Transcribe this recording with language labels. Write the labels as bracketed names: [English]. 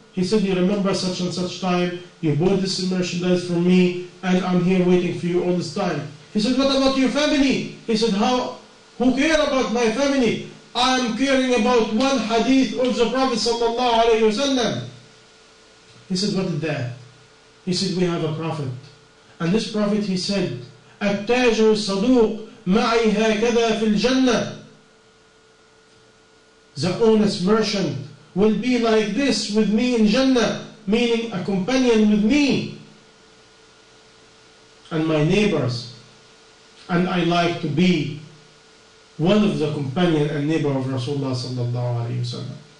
[English] He said, you remember such and such time, you bought this merchandise from me, and I'm here waiting for you all this time. He said, what about your family? He said, how? Who care about my family? I'm caring about one hadith of the Prophet sallallahu alayhi wa sallam. He said, what is that? He said, we have a prophet. And this prophet, he said, [Arabic] التاجر الصدوق معي هكذا في الجنة. [English] The honest merchant will be like this with me in Jannah, meaning a companion with me and my neighbors. And I like to be one of the companion and neighbor of Rasulullah sallallahu alayhi wa sallam.